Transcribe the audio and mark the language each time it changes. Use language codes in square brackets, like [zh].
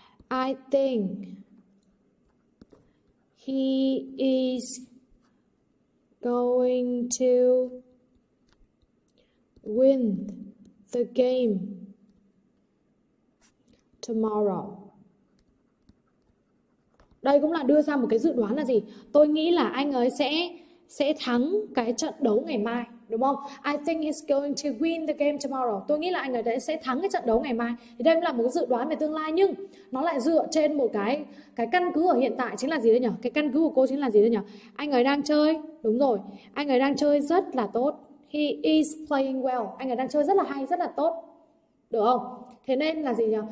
[en] I think he is going to win the game tomorrow. [vi] Đây cũng là đưa ra một cái dự đoán là gì? Tôi nghĩ là anh ấy sẽ thắng cái trận đấu ngày mai. Đúng không? [en] I think he's going to win the game tomorrow. [vi] Tôi nghĩ là anh ấy đấy sẽ thắng cái trận đấu ngày mai. Thì đây cũng là một cái dự đoán về tương lai nhưng nó lại dựa trên một cái căn cứ ở hiện tại chính là gì đây nhỉ? Cái căn cứ của cô chính là gì đây nhỉ? Anh ấy đang chơi, đúng rồi. Anh ấy đang chơi rất là tốt. [en] He is playing well. [vi] Anh ấy đang chơi rất là hay, rất là tốt. Được không? Thế nên là gì nhỉ?